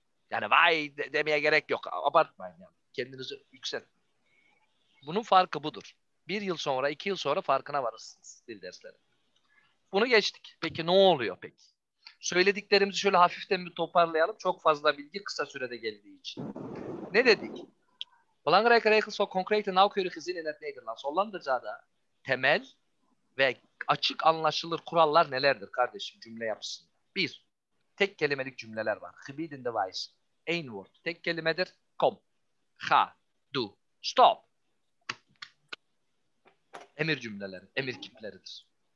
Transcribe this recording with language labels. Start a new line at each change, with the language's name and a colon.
Turkish: Yani vay demeye gerek yok. Abartmayın yani. Kendinizi yükseltmeyin. Bunun farkı budur. 1 yıl sonra, 2 yıl sonra farkına varırsınız dil derslerinde. Bunu geçtik. Peki ne oluyor peki? Söylediklerimizi şöyle hafiften bir toparlayalım. Çok fazla bilgi kısa sürede geldiği için. Ne dedik?
Dutch: Belangrijke regels voor concrete nauwkeurige zinnen in het Nederlands.
Turkish: Hollandaca'da temel ve açık anlaşılır kurallar nelerdir kardeşim cümle yapısında? Bir, tek kelimelik cümleler var.
Dutch: Gebieden wijs. Eén woord.
Turkish: Tek kelimedir.
Dutch: Kom. Ga. Du.
Turkish: Stop. Emir cümleleri, emir kipleridir.